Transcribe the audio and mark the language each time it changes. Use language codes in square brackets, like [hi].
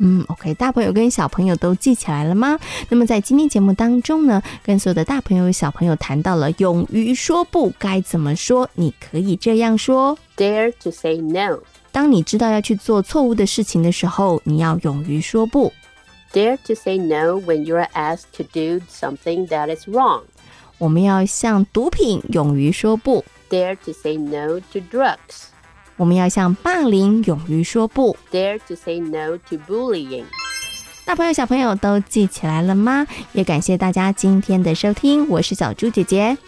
[zh] OK， 大朋友跟小朋友都记起来了吗？那么在今天节目当中呢，跟所有的大朋友小朋友谈到了勇于说不该怎么说，你可以这样说 [en] dare to say no。 [zh] 当你知道要去做错误的事情的时候，你要勇于说不 [en] dare to say no when you are asked to do something that is wrong。 [zh] 我们要向毒品勇于说不 [en] dare to say no to drugs。 [zh] 我们要向霸凌勇于说不 [en] dare to say no to bullying。 [zh] 大朋友小朋友都记起来了吗？也感谢大家今天的收听，我是小猪姐姐，